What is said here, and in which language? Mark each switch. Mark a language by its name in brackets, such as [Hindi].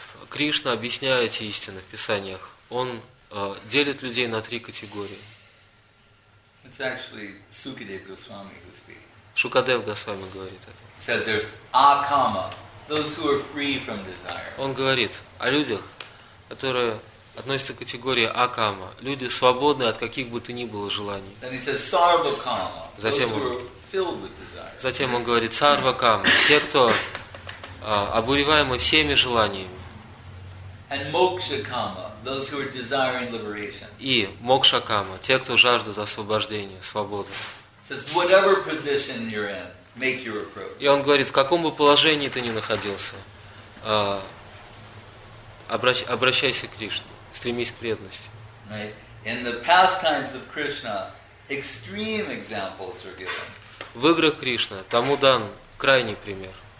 [Russian] Кришна объясняет эти истины в Писаниях. Он делит людей на три категории. [English] It's actually Sukadev Goswami who speaks. [Russian] Шукадев Госвами говорит это. [English] He says there's Akama, those who are free from desire. [Russian] Он говорит о людях, которые относятся к категории Акама, люди свободны от каких бы то ни было желаний. [English] Then he says Sarvakama, those who are filled with desire. [Russian] Затем он говорит Sarvakama, те, кто обуреваемы всеми желаниями. [English] And Mokshakama, those who are desiring liberation. [Russian] И Мокшакама, те, кто жаждут освобождения, свободы. [English] Says whatever position you're in, make your approach. [Russian] И он говорит, в каком бы положении ты ни находился, обращайся к Кришне, стремись к преданности. [English] Right. In the pastimes of Krishna, extreme examples are given. [Russian] В играх Кришны тому дан крайний пример.